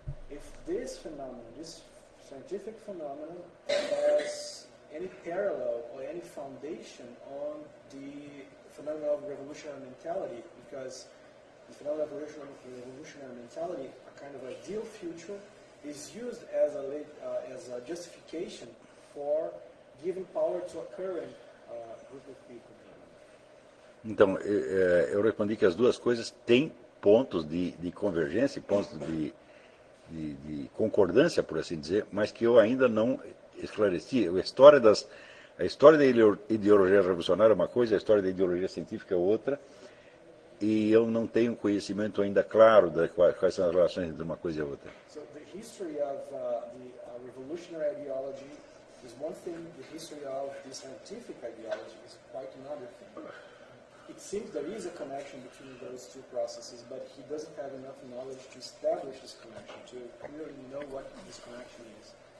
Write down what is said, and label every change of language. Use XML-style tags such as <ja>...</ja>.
<en>If this phenomenon, this scientific phenomenon, has any parallel or any foundation on the phenomenon of revolutionary mentality, because the phenomenon of revolutionary mentality, a kind of ideal future, is used as a justification for giving power to a current group of people.</en> <pt>Então, eu respondi que as duas coisas têm pontos de convergência, pontos de concordância, por assim dizer, mas que eu ainda não esclareci. A história da ideologia revolucionária é uma coisa, a história da ideologia científica é outra, e eu não tenho conhecimento ainda claro de quais são as relações entre uma coisa e outra.</pt> <en>So the history of the revolutionary ideology is one thing, the history of the scientific ideology is quite another thing. It seems there is a connection between those two processes, but he doesn't have enough knowledge to establish this connection, to really know what this connection is.</en>